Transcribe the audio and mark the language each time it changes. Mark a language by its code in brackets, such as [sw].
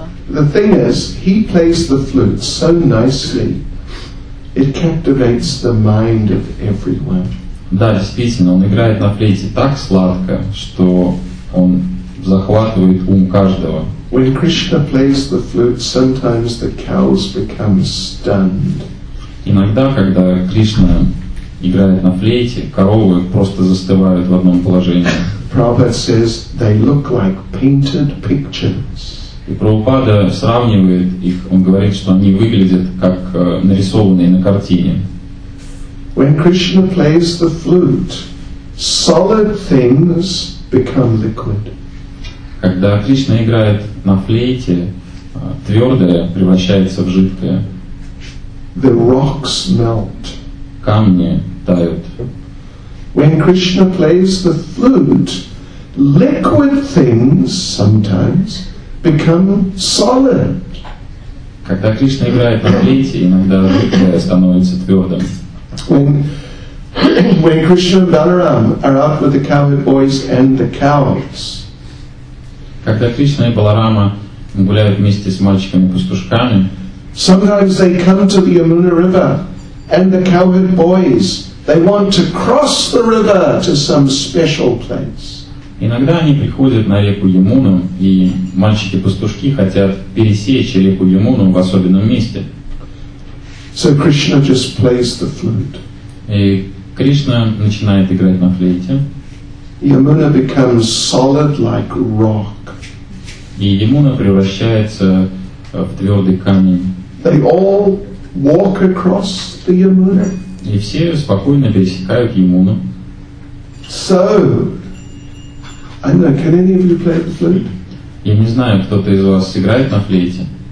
[en] The thing is, he plays the flute so nicely, it captivates the mind of everyone. [ru] Да, действительно, он играет на флейте так сладко, что он захватывает ум каждого. [en] When Krishna plays the flute, sometimes the cows become stunned. [ru] Иногда, когда Кришна играет на флейте, коровы просто застывают в одном положении. [en] Prabhupada says they look like painted pictures. [ru] И Прабхупада сравнивает их, он говорит, что они выглядят как нарисованные на картине. [en] When Krishna plays the flute, solid things become liquid. [ru] Когда Кришна играет на флейте, твердое превращается в жидкое. [en] The rocks melt. [ru] Камни тают. [en] When Krishna plays the flute, liquid things sometimes become solid. [ru] Когда Кришна играет на флейте, иногда жидкое становится твердым. [en] When Krishna and Balaram are out with the cowherd boys and the cows. [ru] Когда Кришна и Баларама гуляют вместе с мальчиками-пастушками. [en] Sometimes they come to the Yamuna River and the cowherd boys, they want to cross the river to some special place. [ru] Иногда они приходят на реку Ямуну, и мальчики-пастушки хотят пересечь реку Ямуну в особенном месте. [en] So Krishna just plays the flute. [ru] И Кришна начинает играть на флейте. [en] Yamuna becomes solid like rock. [ru] И Ямуна превращается в твердый камень. [en] They all walk across the Yamuna. [ru] И все спокойно пересекают Ямуну. [en] So, I don't know, can any of you play the flute? [ru] Я не знаю, кто-то из вас играет на флейте.